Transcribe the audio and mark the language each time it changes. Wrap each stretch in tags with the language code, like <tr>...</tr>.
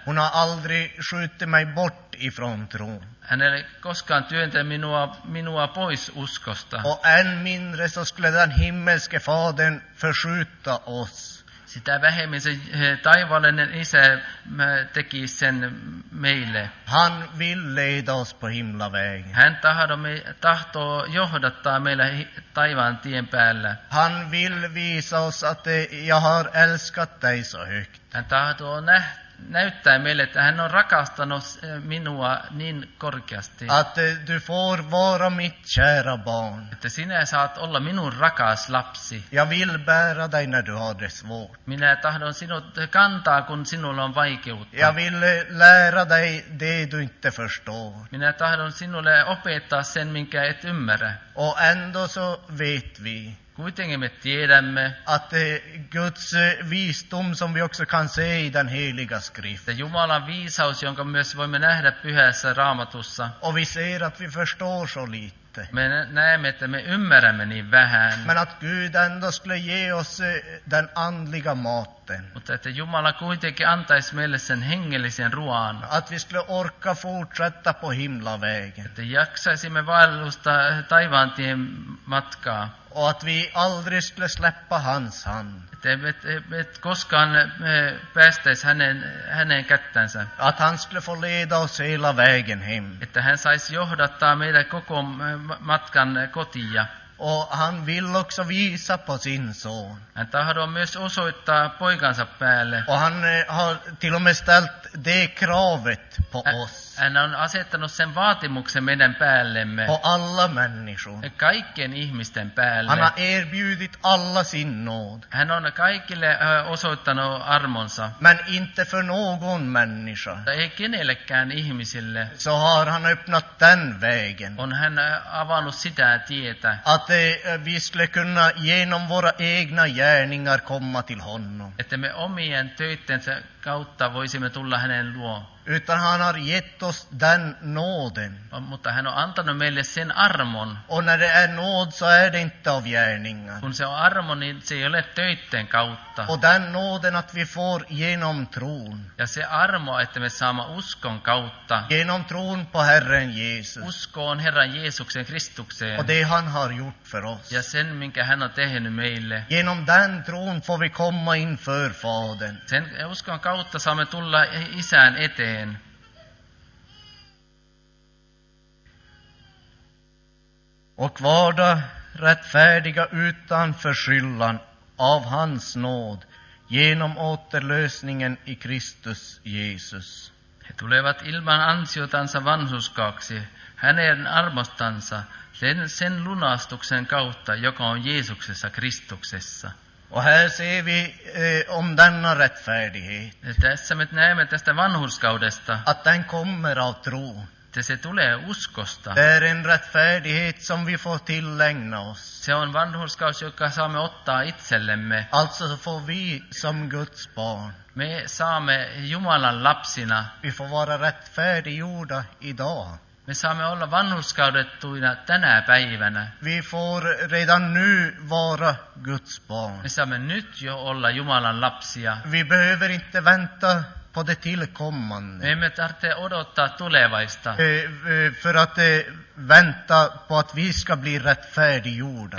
<sv>Hon har aldrig skjutit mig bort ifrån tron.</sv> <fi>Hän ei koskaan työntänyt minua pois uskosta.</fi> <sv>Och än mindre så skulle den himmelske fadern förskjuta oss.</sv> <fi>Sitä vähemmin se taivaallinen isä teki sen meille.</fi> <sv>Han vill leda oss på himlavägen.</sv> <fi>Hän tahtoo johdattaa meillä taivaan tien päällä.</fi> <sv>Han vill visa oss att jag har älskat dig så högt.</sv> <fi>Hän tahtoo näyttää meille, että hän on rakastanut minua niin korkeasti.</fi> <sv>Att du får vara mitt kära barn.</sv> <fi>Että sinä saat olla minun rakas lapsi.</fi> <sv>Jag vill bära dig när du har det svårt.</sv> <fi>Minä tahdon sinut kantaa, kun sinulla on vaikeutta.</fi> <sv>Jag vill lära dig det du inte förstår.</sv> <fi>Minä tahdon sinulle opettaa sen, minkä et ymmärrä.</fi> <sv>Och ändå så vet vi.</sv> <fi>Kuitenkin me tiedämme,</fi> <sv>att Guds visdom som vi också kan se i den heliga skriften.</sv> <fi>Jumalan viisaus, jonka myös voimme nähdä pyhässä Raamatussa.</fi> <sv>Och vi ser att vi förstår så lite.</sv> <fi>Me näemme, että me ymmärrämme niin vähän.</fi> <sv>Men att Gud ändå skulle ge oss den andliga maten.</sv> <fi>Mutta että Jumala kuitenkin antaisi meille sen hengellisen ruoan.</fi> <sv>Att vi skulle orka fortsätta på himlavägen.</sv> <fi>Että jaksaisimme vaellusta taivaan tien matkaa.</fi> <sv>Och att vi aldrig skulle släppa hans hand.</sv> <fi>Et koskaan päästäisi hänen kättänsä.</fi> <sv>Att han skulle få leda oss hela vägen hem.</sv> <fi>Että hän saisi johdattaa meidän koko matkan kotia.</fi> <sv>Och han vill också visa på sin son.</sv> <fi>Hän tahdoo myös osoittaa poikansa päälle.</fi> <sv>Och han har till och med ställt det kravet på oss.</sv> <fi>Hän on asettanut sen vaatimuksen meidän päällemme.</fi> <sv>På alla människor.</sv> <fi>Kaikkien ihmisten päälle.</fi> <sv>Han har erbjudit alla sin nåd.</sv> <fi>Hän on kaikille osoittanut armonsa.</fi> <sv>Men inte för någon människa.</sv> <fi>Ei kenellekään ihmisille.</fi> <sv>Så har han öppnat den vägen.</sv> <fi>On hän avannut sitä tietä.</fi> <sv>Att vi skulle kunna genom våra egna gärningar komma till honom.</sv> <fi>Että me omien töittensä kautta voisimme tulla hänen luo.</fi> <sv>Utan han har gett oss den nåden.</sv> <fi>Mutta hän on antanut meille sen armon.</fi> <sv>Och när det är nåd så är det inte av gärningar.</sv> <fi>Kun se on armo, niin se ei ole töitten kautta.</fi> <sv>Och den nåden att vi får genom tron.</sv> <fi>Ja se armo, että me saamme uskon kautta.</fi> <sv>Genom tron på Herren Jesus.</sv> <fi>Uskoon Herran Jeesuksen Kristukseen.</fi> <sv>Och det han har gjort för oss.</sv> <fi>Ja sen, minkä hän on tehnyt meille.</fi> <sv>Genom den tron får vi komma inför Fadern.</sv> <fi>Sen uskon kautta saamme tulla isän eteen.</fi> <sv>Och varda rättfärdiga utan förskyllan av hans nåd genom återlösningen i Kristus Jesus.</sv> <fi>He tulevat ilman ansiotansa vanhurskaaksi hänen armostansa sen lunastuksen kautta, joka on Jeesuksessa Kristuksessa.</fi> <sv>Och här ser vi om denna rättfärdighet.</sv> <fi>Tässä me näemme tästä vanhurskaudesta.</fi> <sv>Att den kommer av tro.</sv> <fi>Det se tulee uskosta.</fi> <sv>Det är en rättfärdighet som vi får tillägna oss.</sv> <fi>Se on vanhurskaus, joka saamme ottaa itsellemme.</fi> <sv>Alltså så får vi som Guds barn.</sv> <fi>Me saamme Jumalan lapsina.</fi> <sv>Vi får vara rättfärdiggjorda idag.</sv> <fi>Me saamme olla vanhurskaudettuina tänä päivänä.</fi> <sv>Vi får redan nu vara Guds barn.</sv> <fi>Me saamme nyt jo olla Jumalan lapsia.</fi> <sv>Vi behöver inte vänta på det tillkommande.</sv> <fi>Me emme tarvitse odottaa tulevaista.</fi> <sv>För att vänta på att vi ska bli rättfärdiggjorda.</sv>